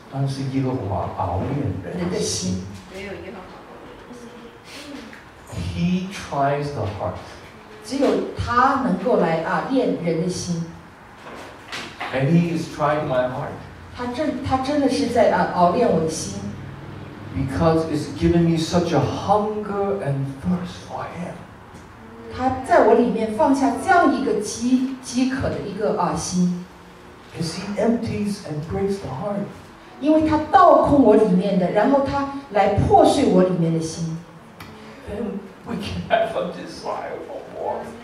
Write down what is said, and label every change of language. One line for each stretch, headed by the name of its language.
Chinese: 但是耶和华熬炼人的心。
English: He tries the heart.
Chinese: 只有他能够来炼人的心。
English: And he is trying my heart.
Chinese: 他真的是在熬炼我的心。
English: Because it's given me such a hunger and thirst for him.
Chinese: 他在我里面放下这样一个饥渴的一个心。
English: As he empties and breaks the heart.
Chinese: 因为他倒空我里面的，然后他来破碎我里面的心。
English: Then we can have a desire for more.